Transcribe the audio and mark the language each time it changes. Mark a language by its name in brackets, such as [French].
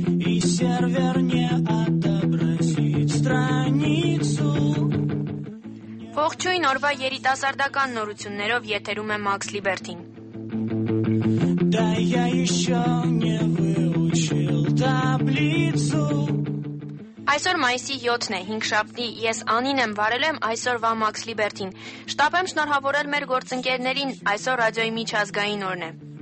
[Russian] И сервер не отобразит страницу. [Armenian] Ողջույն օրվա երիտասարդական նորություններով եթերում է Max Liberty-ն. [Russian] Да я ещё не выучил таблицу. [Armenian] Այսօր մայիսի 7-ն է, 5 շաբթի, ես Անին եմ վարել եմ այսօրվա Max Liberty-ին։ Շտապեմ շնորհավորել մեր գործընկերներին, այսօր ռադիոյի միջազգային օրն է։